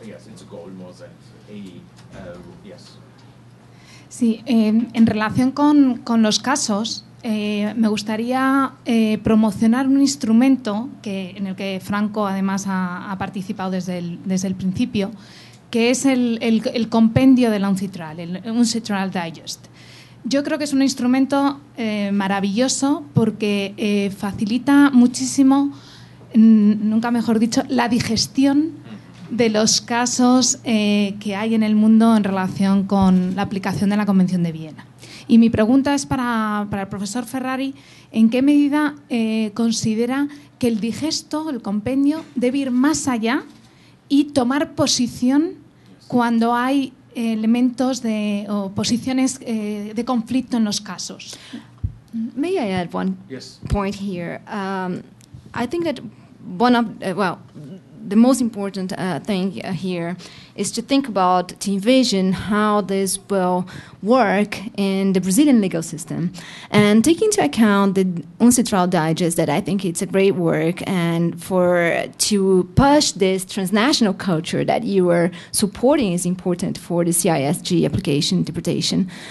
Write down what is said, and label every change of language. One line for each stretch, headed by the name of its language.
English: Yes, it's a goal more than a yes.
Spanish: Sí, en relación con los casos. Me gustaría promocionar un instrumento que, en el que Franco además ha participado desde el principio, que es el compendio de la UNCITRAL, el UNCITRAL Digest. Yo creo que es un instrumento maravilloso porque facilita muchísimo, nunca mejor dicho, la digestión de los casos que hay en el mundo en relación con la aplicación de la Convención de Viena. Y mi pregunta es para el profesor Ferrari, ¿en qué medida considera que el digesto, el compendio, debe ir más allá y tomar posición cuando hay elementos de o posiciones de conflicto en los casos.
English: May I add one point here? I think that one of the most important thing here is to think about, to envision how this will work in the Brazilian legal system. And taking into account the Uncitral Digest, that I think it's a great work, and for to push this transnational culture that you are supporting is important for the CISG application interpretation.